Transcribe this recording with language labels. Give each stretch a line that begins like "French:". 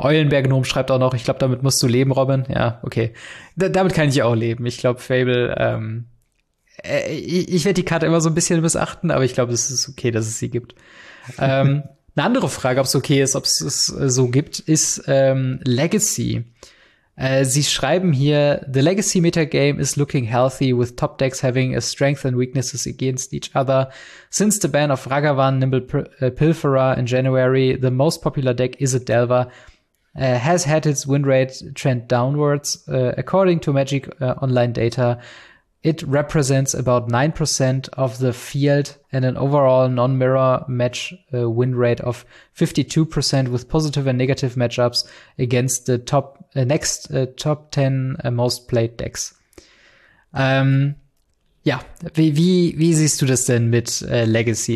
German: Eulenberg-Gnom schreibt auch noch, ich glaube, damit musst du leben, Robin. Ja, okay. Damit kann ich auch leben. Ich glaube, Fable, ich werde die Karte immer so ein bisschen missachten, aber ich glaube, es ist okay, dass es sie gibt. eine andere Frage, ob es okay ist, ob es so gibt, ist Legacy. Sie schreiben hier,
English: the Legacy Metagame is looking healthy with top decks having a strength and weaknesses against each other. Since the ban of Ragavan, Nimble Pilferer in January, the most popular deck is a Delver, has had its win rate trend downwards. According to Magic Online data, it represents about 9% of the field and an overall non-mirror match win rate of 52% with positive and negative matchups against the top 10 most played decks.
German: Ja, wie siehst du das denn mit Legacy?